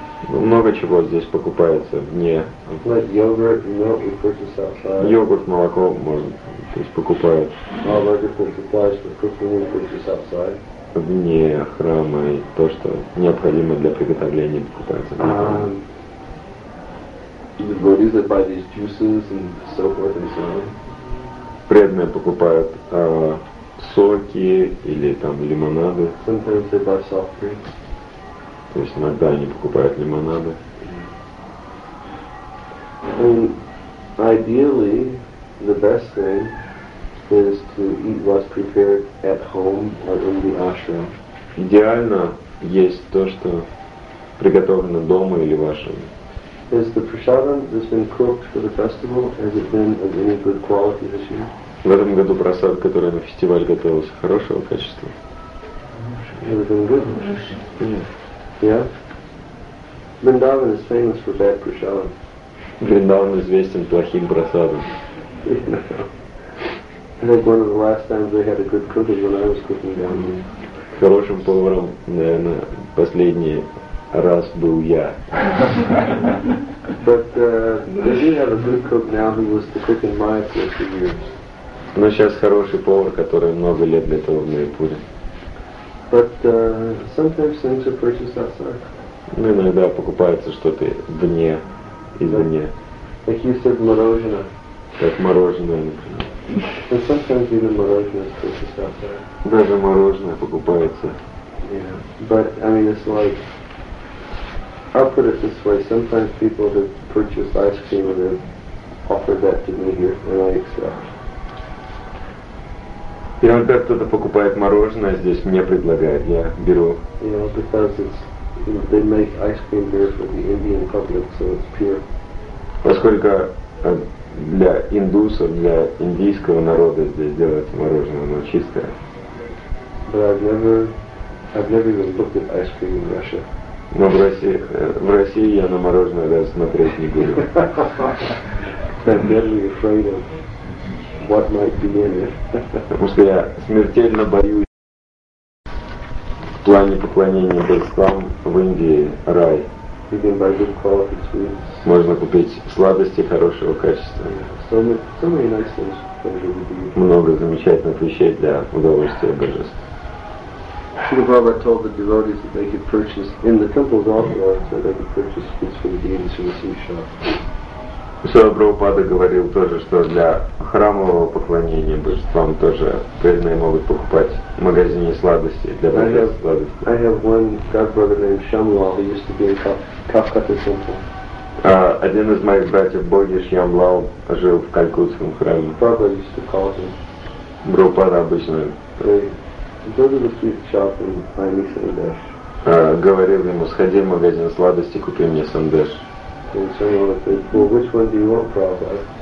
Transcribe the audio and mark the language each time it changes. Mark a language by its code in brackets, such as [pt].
[ru] Много чего здесь покупается вне. [en] Like yogurt and milk we purchase outside. [ru] Йогурт, молоко можно здесь покупают. [en] All medical supplies we purchase outside. [ru] Вне храма и то, что необходимо для приготовления, покупается. [en] The devotees that buy these juices and so forth and so on. [ru] Преданные покупают соки или там лимонады. [en] Sometimes they buy soft drinks. [ru] То есть иногда они покупают лимонады. [en] And ideally, the best thing is to eat what's prepared at home or in the ashram. [ru] Идеально есть то, что приготовлено дома или в ашраме. [en] Is the prasadam that's been cooked for the festival, has it been of any good quality this year? [ru] В этом году просад, который на фестиваль готовился, хорошего качества. [en] Has it been good? Yeah. Vrindavan is famous for bad prasadam. [ru] Vrindavan известен плохим просадом. [en] I think one of the last times they had a good cook is when I was cooking down there. [ru] Хорошим поваром, наверное, последний раз был я. [en] But they do have a good cook now who was the cook in Maya for a few years. [ru] Но сейчас хороший повар, который много лет готовил в Майпуре. [en] But sometimes things are purchased outside. [ru] Ну, иногда покупается что-то вне, извне. [en] Like you said, мороженое. [ru] Как мороженое, например. [en] And sometimes even мороженое is purchased outside. [ru] Даже мороженое покупается. [en] Yeah, but I mean it's like, I'll put it this way, sometimes people have purchased ice cream and have offered that to me here, and I accept. [ru] Иногда кто-то покупает мороженое здесь, мне предлагает, я беру. [en] Yeah, because it's, they make ice cream here for the Indian public, so it's pure. [ru] Поскольку для индусов, для индийского народа здесь делается мороженое, оно чистое. [en] But I've never even looked at ice cream in Russia. [ru] Но в России я на мороженое даже смотреть не буду. [en] I'm deadly afraid of what might be in it. [ru] Потому что я смертельно боюсь в плане поклонения божествам в Индии рай. [en] You can buy good quality sweets. [ru] Можно купить сладости хорошего качества. [en] So many nice things for the Indian. [ru] Много замечательных вещей для удовольствия божеств. [en] Shri Baba told the devotees that they could purchase in the temple's offerings that they could purchase sweets for the deities who receive shop. [ru] Шри Прабхупада говорил тоже, что для храмового поклонения божествам тоже преданные могут покупать в магазине сладости для божеств сладости. [en] I have one godbrother named Shyamlal who used to be in Calcutta temple. [ru] Один из моих братьев Боги Шьямлал жил в Калькутском храме. [en] Prabhupada used to call him. [ru] Прабхупада обычно. [en] Go to the sweet shop and buy me sandesh. [ru] Говорил ему, сходи в магазин сладости, купи мне сандеш. [en] And Shyamlal said, well, which one do you want, Prabhupada?